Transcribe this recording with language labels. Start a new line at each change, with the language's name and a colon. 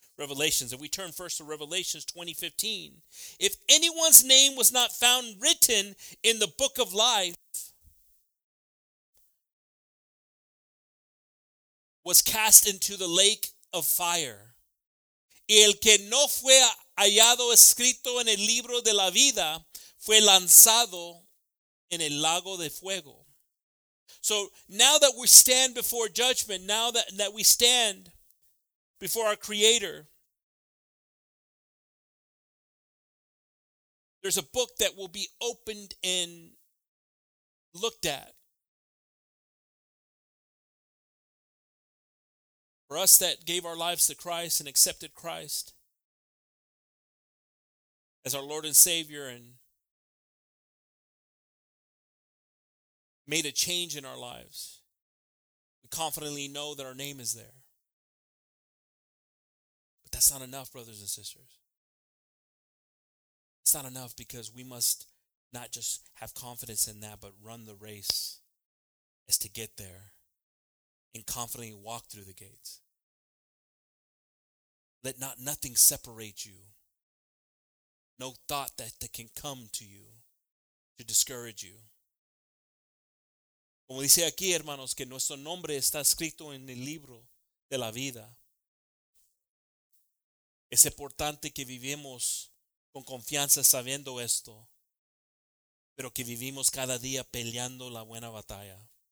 English: Revelations. If we turn first to Revelations 20:15, if anyone's name was not found written in the book of life, was cast into the lake of fire.
Spanish: Y el que no fue hallado escrito en el libro de la vida fue lanzado en el lago de fuego.
English: So now that we stand before judgment, now that we stand before our Creator, there's a book that will be opened and looked at. For us that gave our lives to Christ and accepted Christ as our Lord and Savior and made a change in our lives, we confidently know that our name is there. But that's not enough, brothers and sisters. It's not enough because we must not just have confidence in that, but run the race as to get there and confidently walk through the gates. Let not nothing separate you. No thought that can come to you to discourage you.
Spanish: Como dice aquí, hermanos, que nuestro nombre está escrito en el libro de la vida. Es importante que vivimos con confianza sabiendo esto, pero que vivimos cada día peleando la buena batalla.